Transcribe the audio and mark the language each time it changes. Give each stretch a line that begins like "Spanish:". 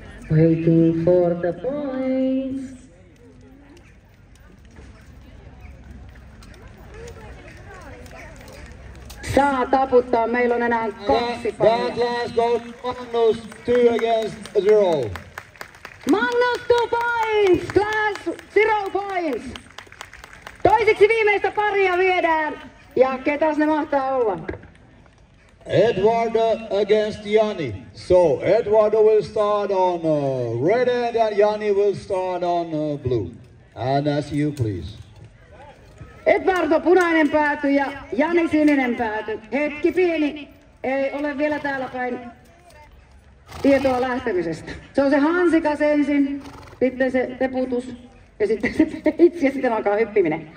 English: Waiting for the points.
Finnish: Saa taputtaa, meillä on enää kaksi paljon.
English: That last goes Magnus 2 against 0. Magnus 2 points! Class 0 points!
Finnish: Toiseksi viimeistä paria viedään. Ja ketäs ne mahtaa olla?
English: Eduardo against Jani. So, Eduardo will start on red end and Jani will start on blue. And as you please.
Finnish: Eduardo punainen pääty ja Jani sininen pääty. Hetki pieni. Ei ole vielä täällä päin tietoa lähtemisestä. Se on se hansikas ensin, sitten se teputus ja sitten se itse ja sitten alkaa hyppiminen.